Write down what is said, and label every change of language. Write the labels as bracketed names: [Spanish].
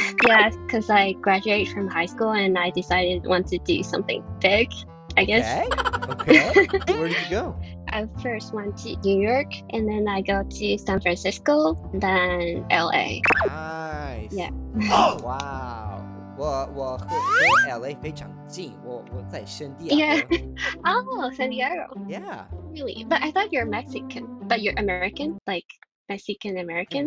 [English] Yeah, because I graduated from high school and I decided I want to do something big, I guess. Okay. Where did you go? I first went to New York, and then I go to San Francisco, then LA. Nice. Yeah. Oh, wow. [Chinese] 我和 LA 非常近，我在圣地亚哥。 [English] Yeah. Oh, San Diego. Yeah. Really? But I thought you're Mexican, but you're American, like Mexican American.